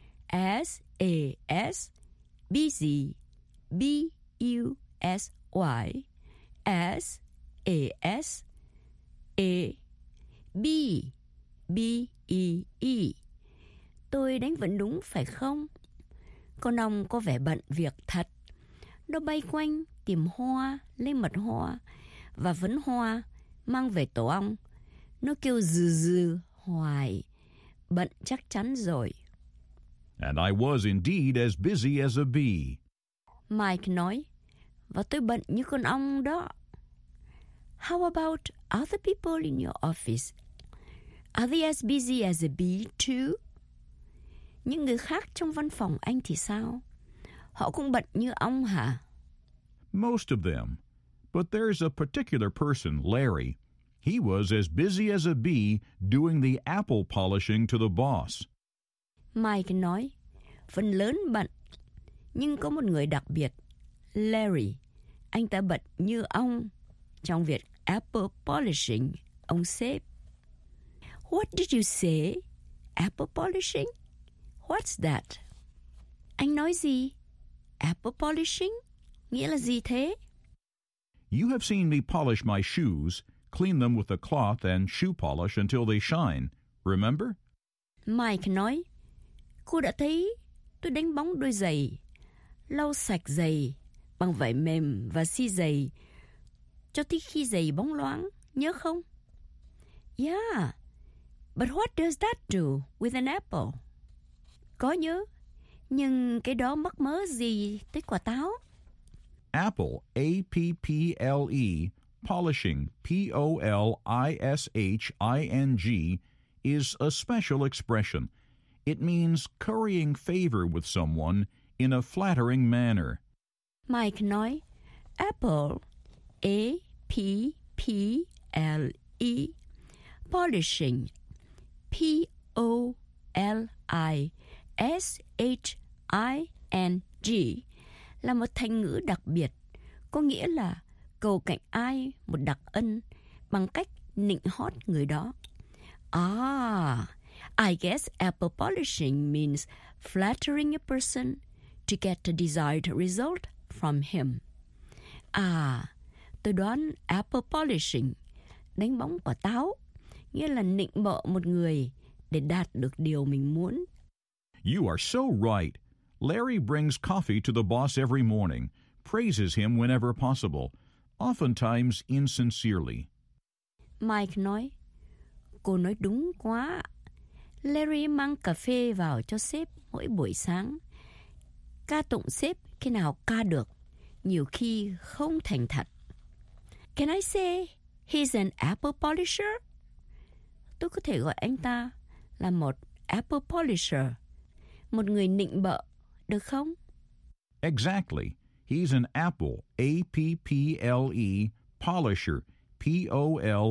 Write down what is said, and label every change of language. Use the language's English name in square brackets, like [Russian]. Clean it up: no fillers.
[English] As A-S, busy, B-U-S-Y, as, A-S, A, B, B-E-E. [Vietnamese] Tôi đánh vần đúng phải không? Con ong có vẻ bận việc thật. Nó bay quanh tìm hoa, lấy mật hoa và vấn hoa mang về tổ ong. Nó kêu dư dư hoài, bận chắc chắn rồi. [English] And I was indeed as busy as a bee. [Vietnamese] Mike nói, và tôi bận như con ong đó. [English] How about other people in your office? Are they as busy as a bee too? [Vietnamese] Những người khác trong văn phòng anh thì sao? Họ cũng bận như ong hả? [English] Most of them. But there's a particular person, Larry. He was as busy as a bee doing the apple polishing to the boss. [Vietnamese] Mike nói, phần lớn bận, nhưng có một người đặc biệt, Larry. Anh ta bận như ong trong việc apple polishing, ông sếp. [English] What did you say? Apple polishing? What's that? [Vietnamese] Anh nói gì? Apple polishing? Nghĩa là gì thế? [English] You have seen me polish my shoes, clean them with a cloth and shoe polish until they shine. Remember? [Vietnamese] Mike nói, cô đã thấy tôi đánh bóng đôi giày, lau sạch giày bằng vải mềm và xi giày cho tới khi giày bóng loáng, nhớ không? [English] Yeah, but what does that do with an apple? [Vietnamese] Có nhớ, nhưng cái đó mắc mớ gì tới quả táo? [English] Apple, A-P-P-L-E, polishing, P-O-L-I-S-H-I-N-G, is a special expression. It means currying favor with someone in a flattering manner. [Vietnamese] Mike nói, apple, A-P-P-L-E, polishing, P-O-L-I-S-H-I-N-G, là một thành ngữ đặc biệt, có nghĩa là cầu cạnh ai một đặc ân bằng cách nịnh hót người đó. [English] I guess apple polishing means flattering a person to get the desired result from him. [Vietnamese] Tôi đoán apple polishing, đánh bóng quả táo, nghĩa là nịnh bợ một người để đạt được điều mình muốn. [English] You are so right. Larry brings coffee to the boss every morning, praises him whenever possible, oftentimes insincerely. [Vietnamese] Mike nói, cô nói đúng quá. Larry mang cà phê vào cho sếp mỗi buổi sáng. Ca tụng sếp khi nào ca được, nhiều khi không thành thật. [English] Can I say he's an apple polisher? [Vietnamese] Tôi có thể gọi anh ta là một apple polisher, một người nịnh bợ, được không? [English] Exactly. He's an apple, A-P-P-L-E, polisher, P-O-L-I-S-H-E-R.